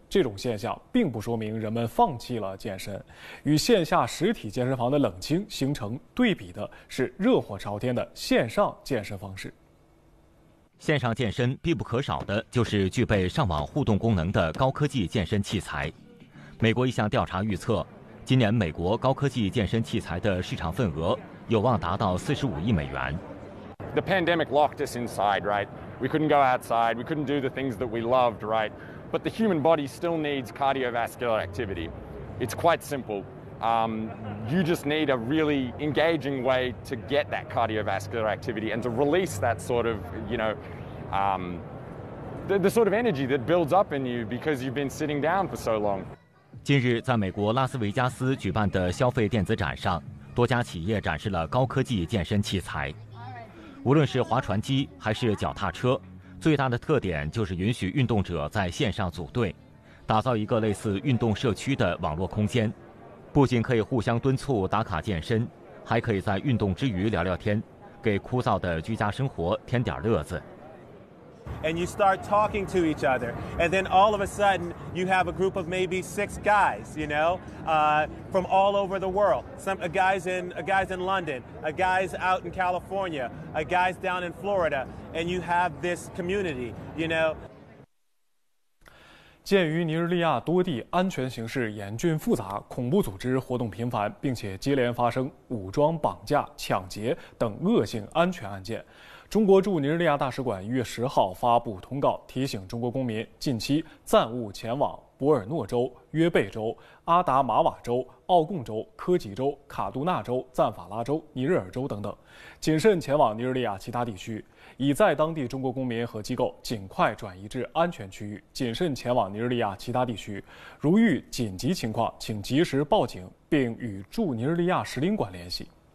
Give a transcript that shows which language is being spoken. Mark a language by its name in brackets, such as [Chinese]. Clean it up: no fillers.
[Chinese] 这种现象并不说明人们放弃了健身。与线下实体健身房的冷清形成对比的是热火朝天的线上健身方式。线上健身必不可少的就是具备上网互动功能的高科技健身器材。美国一项调查预测，今年美国高科技健身器材的市场份额有望达到45亿美元。 [English] The pandemic locked us inside, right? We couldn't go outside, we couldn't do the things that we loved, right? But the human body still needs cardiovascular activity. It's quite simple. You just need a really engaging way to get that cardiovascular activity and to release that sort of, you know, the sort of energy that builds up in you because you've been sitting down for so long. [Chinese] 近日，在美国拉斯维加斯举办的消费电子展上，多家企业展示了高科技健身器材。无论是划船机还是脚踏车，最大的特点就是允许运动者在线上组队，打造一个类似运动社区的网络空间。不仅可以互相敦促打卡健身，还可以在运动之余聊聊天，给枯燥的居家生活添点乐子。 [English] And you start talking to each other, and then all of a sudden you have a group of maybe 6 guys, you know, from all over the world. A guy's in London, a guy's out in California, a guy's down in Florida, and you have this community, you know. [Chinese] 鉴于尼日利亚多地安全形势严峻复杂，恐怖组织活动频繁，并且接连发生武装绑架、抢劫等恶性安全案件。中国驻尼日利亚大使馆1月10号发布通告，提醒中国公民近期暂勿前往博尔诺州、约贝州、阿达马瓦州、奥贡州、科吉州、卡杜纳州、赞法拉州、尼日尔州等等，谨慎前往尼日利亚其他地区，已在当地中国公民和机构尽快转移至安全区域，谨慎前往尼日利亚其他地区，如遇紧急情况请及时报警并与驻尼日利亚使领馆联系。